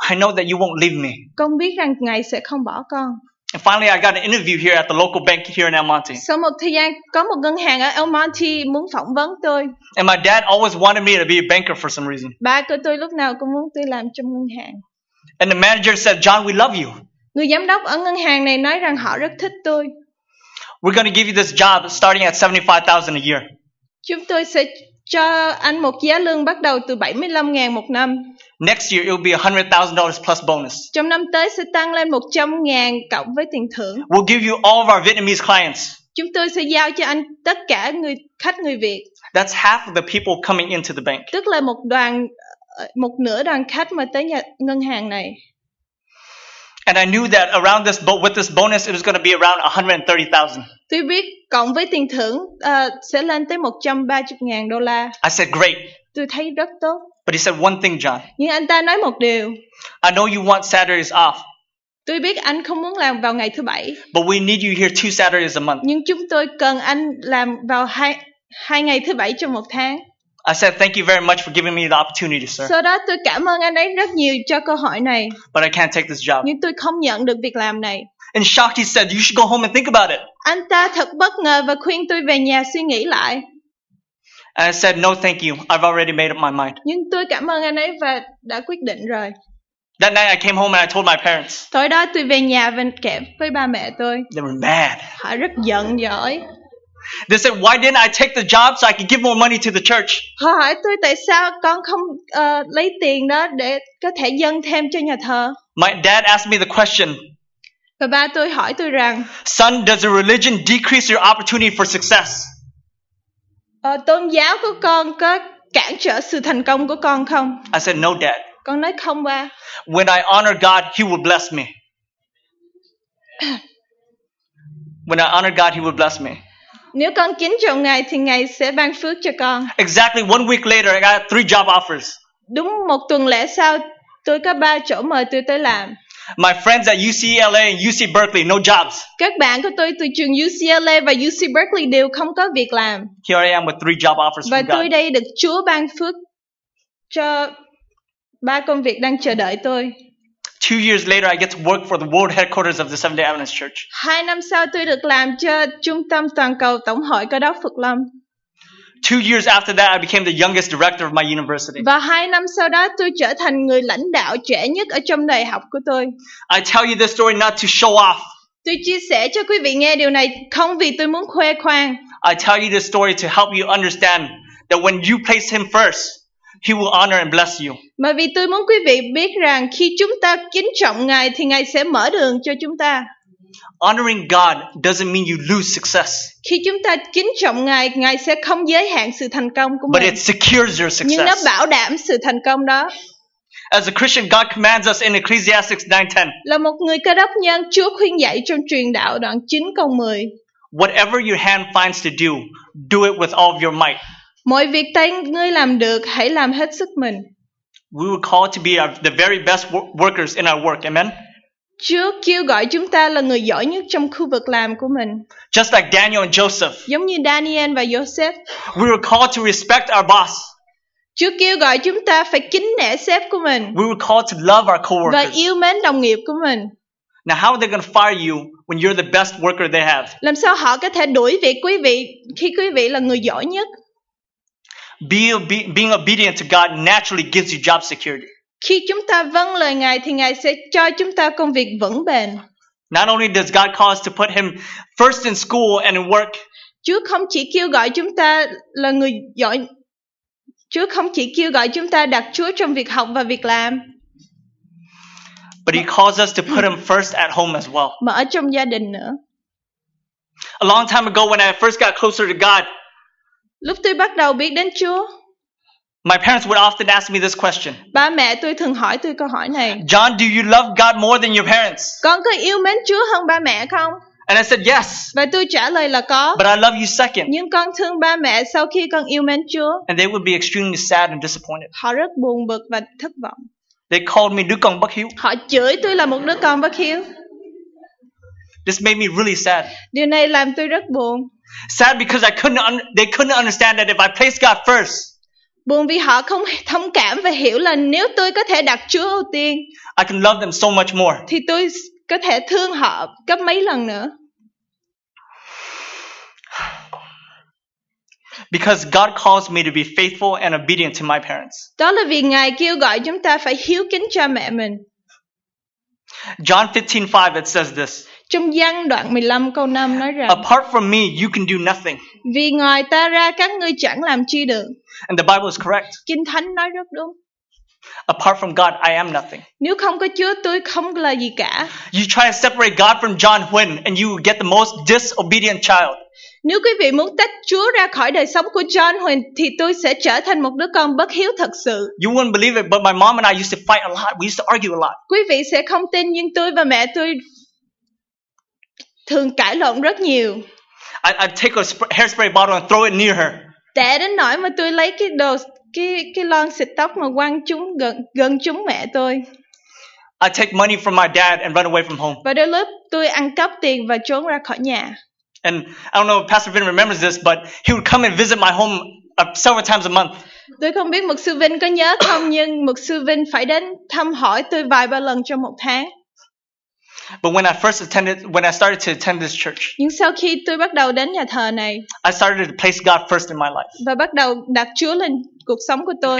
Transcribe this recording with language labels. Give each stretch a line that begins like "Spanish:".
English: I know that you won't leave me.
Vietnamese: Con biết rằng Ngài sẽ không bỏ con.
English: And finally, I got an interview here at the local bank here in El Monte.
Vietnamese: Sau một thời gian, có một ngân hàng ở El Monte muốn phỏng vấn tôi.
English: And my dad always wanted me to be a banker for some reason.
Vietnamese: Ba của tôi lúc nào cũng muốn tôi làm trong ngân hàng.
English: And the manager said, John, we love you.
Vietnamese: Người giám đốc ở ngân hàng này nói rằng họ rất thích tôi.
English: We're going to give you this job starting at $75,000 a year.
Vietnamese: Chúng tôi sẽ cho anh một giá lương bắt đầu từ 75.000 một năm.
English: Next year it will be $100,000 plus bonus.
Vietnamese: Trong năm tới sẽ tăng lên 100.000 cộng với tiền thưởng.
English: We'll give you all of our Vietnamese clients.
Vietnamese: Chúng tôi sẽ giao cho anh tất cả người khách người Việt.
English: That's half of the people coming into the bank.
Vietnamese: Tức là một nửa đoàn khách mà tới nhà ngân hàng này.
English: And I knew that around this but with this bonus it was going to be around $130,000.
Vietnamese: Tôi biết cộng với tiền thưởng sẽ lên tới $130,000.
English: I said great.
Vietnamese: Tôi thấy rất tốt.
English: But he said one thing, John.
Vietnamese: Nhưng anh ta nói một điều.
English: I know you want Saturdays off.
Vietnamese: Tôi biết anh không muốn làm vào ngày thứ bảy.
English: But we need you here 2 Saturdays a month.
Vietnamese: Nhưng chúng tôi cần anh làm vào hai ngày thứ bảy trong một tháng.
English: I said thank you very much for giving me the opportunity, sir.
Vietnamese: Sau đó tôi cảm ơn anh ấy rất nhiều cho cơ hội này.
English: But I can't take this job.
Vietnamese: Nhưng tôi không nhận được việc làm này.
English: And shocked, he said, "You should go home and think about it."
Vietnamese: Anh ta thật bất ngờ và khuyên tôi về nhà suy nghĩ lại.
English: And I said, "No, thank you. I've already made up my mind."
Vietnamese: Nhưng tôi cảm ơn anh ấy và đã quyết định rồi.
English: That night, I came home and I told my parents.
Vietnamese: Tối đó tôi về nhà và kể với ba mẹ tôi.
English: They were mad.
Vietnamese: Họ rất giận dỗi.
English: They said, "Why didn't I take the job so I could give more money to the church?"
Vietnamese: Họ hỏi tôi tại sao con không lấy tiền đó để có thể dâng thêm cho nhà thờ.
English: My dad asked me the question.
Vietnamese: Và ba tôi hỏi tôi rằng,
English: "Son, does a religion decrease your opportunity for success?"
Vietnamese: Tôn giáo của con có cản trở sự thành công của con không?
English: I said, "No, dad."
Vietnamese: Con nói không ba.
English: When I honor God, He will bless me. When I honor God, He will bless me.
Vietnamese: Nếu con kính trọng Ngài thì Ngài sẽ ban phước cho con.
English: Exactly 1 week later, I got 3 job offers.
Vietnamese: Đúng một tuần lễ sau, tôi có 3 chỗ mời tôi tới làm.
English: My friends at UCLA and UC Berkeley, no jobs.
Vietnamese: Các bạn của tôi từ trường UCLA và UC Berkeley đều không có việc làm.
English: Here I am with 3 job offers
Vietnamese: và
English: from God.
Vietnamese: Và tôi đây được Chúa ban phước cho 3 công việc đang chờ đợi tôi.
English: 2 years later, I get to work for the world headquarters of the Seventh-day Adventist Church.
Vietnamese: 2 năm sau, tôi được làm cho trung tâm toàn cầu tổng hội Cơ đốc Phục Lâm.
English: 2 years after that, I became the youngest director of my university.
Vietnamese: Và 2 năm sau đó, tôi trở thành người lãnh đạo trẻ nhất ở trong đại học của tôi.
English: I tell you this story not to show off.
Vietnamese: Tôi chia sẻ cho quý vị nghe điều này không vì tôi muốn khoe khoang.
English: I tell you this story to help you understand that when you place Him first, He will honor and bless you.
Vietnamese: Mà vì tôi muốn quý vị biết rằng khi chúng ta kính trọng Ngài thì Ngài sẽ mở đường cho chúng ta.
English: Honoring God doesn't mean you lose success.
Vietnamese: Khi chúng ta kính trọng Ngài, Ngài sẽ không giới hạn sự thành công của
English: But
Vietnamese: mình.
English: But it secures your success.
Vietnamese: Nhưng nó bảo đảm sự thành công đó.
English: As a Christian, God commands us in Ecclesiastes 9:10.
Vietnamese: Là một người Cơ Đốc nhân, Chúa khuyên dạy trong Truyền Đạo đoạn 9 câu 10.
English: Whatever your hand finds to do, do it with all of your might.
Vietnamese: Mọi việc tay ngươi làm được, hãy làm hết sức mình.
English: We were called to be the very best workers in our work. Amen.
Vietnamese: Chúa kêu gọi chúng ta là người giỏi nhất trong khu vực làm của mình.
English: Just like Daniel and Joseph.
Vietnamese: Giống như Daniel và Joseph.
English: We were called to respect our boss.
Vietnamese: Chúa kêu gọi chúng ta phải kính nể sếp của mình.
English: We were called to love our coworkers.
Vietnamese: Và yêu mến đồng nghiệp của mình.
English: Now how are they going to fire you when you're the best worker they have?
Vietnamese: Làm sao họ có thể đuổi việc quý vị khi quý vị là người giỏi nhất?
English: Being obedient to God naturally gives you job security.
Vietnamese: Khi chúng ta vâng lời Ngài thì Ngài sẽ cho chúng ta công việc vững bền.
English: Not only does God call us to put Him first in school and in work.
Vietnamese: Chúa không chỉ kêu gọi chúng ta là người giỏi. Chúa không chỉ kêu gọi chúng ta đặt Chúa trong việc học và việc làm.
English: But He calls us to put Him first at home as well.
Vietnamese: Mà ở trong gia đình nữa.
English: A long time ago, when I first got closer to God.
Vietnamese: Lúc tôi bắt đầu biết đến Chúa.
English: My parents would often ask me this question.
Vietnamese: Ba mẹ tôi thường hỏi tôi câu hỏi này.
English: John, do you love God more than your parents?
Vietnamese: Con có yêu mến Chúa hơn ba mẹ không?
English: And I said yes.
Vietnamese: Và tôi trả lời là có.
English: But I love you second.
Vietnamese: Nhưng con thương ba mẹ sau khi con yêu mến Chúa.
English: And they would be extremely sad and disappointed.
Vietnamese: Họ rất buồn bực và thất vọng.
English: They called me
Vietnamese: đứa con bất hiếu. Họ chửi tôi là một đứa con bất hiếu.
English: This made me really sad.
Vietnamese: Điều này làm tôi rất buồn.
English: Sad because they couldn't understand that if I place God first.
Vietnamese: Buồn vì họ không thông cảm và hiểu là nếu tôi có thể đặt Chúa ưu tiên.
English: I can love them so much more.
Vietnamese: Thì tôi có thể thương họ gấp mấy lần nữa.
English: Because God calls me to be faithful and obedient to my parents.
Vietnamese: Đó là vì Ngài kêu gọi chúng ta phải hiếu kính cha mẹ mình.
English: John 15:5 it says this.
Vietnamese: Trong Giăng đoạn 15 câu 5 nói rằng
English: Apart from me, you can do nothing.
Vietnamese: Vì ngoài ta ra các ngươi chẳng làm chi được.
English: And the Bible is correct.
Vietnamese: Kinh Thánh nói rất đúng.
English: Apart from God, I am nothing.
Vietnamese: Nếu không có Chúa, tôi không là gì cả.
English: You try to separate God from John Huynh and you get the most disobedient child.
Vietnamese: Nếu quý vị muốn tách Chúa ra khỏi đời sống của John Huynh thì tôi sẽ trở thành một đứa con bất hiếu thật sự.
English: You wouldn't believe it, but my mom and I used to fight a lot. We used to argue a lot.
Vietnamese: Quý vị sẽ không tin nhưng tôi và mẹ tôi thường cãi lộn rất nhiều.
English: I take a hairspray bottle and throw it near her.
Vietnamese: Tệ đến nỗi mà tôi lấy cái lon xịt tóc mà quăng gần chúng mẹ tôi.
English: I take money from my dad and run away from home.
Vietnamese: Và đôi lúc tôi ăn cắp tiền và trốn ra khỏi nhà.
English: And I don't know if Pastor Vin remembers this, but he would come and visit my home several times a month.
Vietnamese: Tôi không biết Mục sư Vin có nhớ không, nhưng Mục sư Vin phải đến thăm hỏi tôi vài ba lần trong một tháng.
English: But when I first attended, when I started to attend this church,
Vietnamese: nhưng sau khi tôi bắt đầu đến nhà thờ này,
English: I started to place God first in my life.
Vietnamese: Và bắt đầu đặt Chúa lên cuộc sống của tôi.